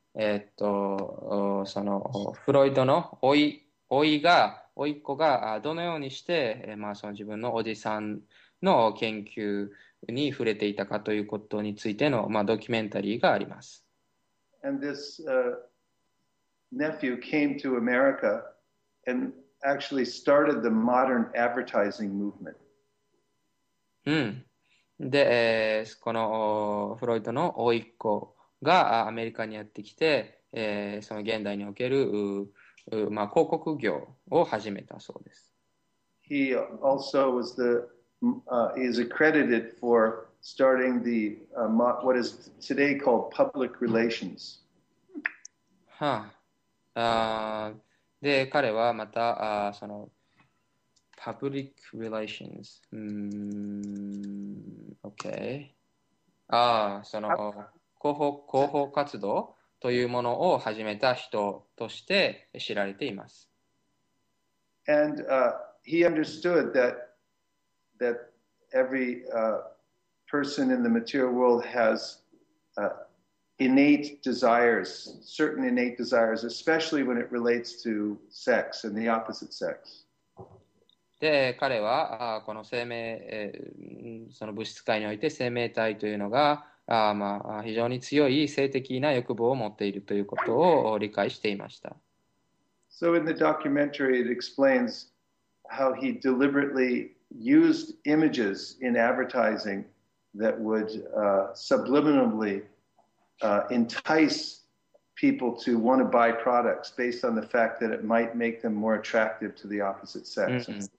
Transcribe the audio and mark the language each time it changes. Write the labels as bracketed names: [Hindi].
[Japanese] フロイドの甥が、甥っ子がどのようにして、その自分のおじさんの研究に触れていたかということについての、ドキュメンタリーがあります。 [English] And this nephew came to America and actually started the modern advertising movement. [Japanese] で、このフロイドの甥っ子がアメリカにやってきて、その現代における広告業を始めたそうです。 [English] He also was the is accredited for starting the what is today called public relations. [Japanese] はあ、あで彼はまたそのパブリックリレーションズ、OK、その広報活動というものを始めた人として知られています。 [English] And he understood that every person in the material world has innate desires, certain innate desires, especially when it relates to sex and the opposite sex. [Japanese] で、彼はこの生命、その物質界において生命体というのが非常に強い性的な欲望を持っているということを理解していました。 [English] So in the documentary, it explains how he deliberately used images in advertising that would subliminally entice people to want to buy products based on the fact that it might make them more attractive to the opposite sex.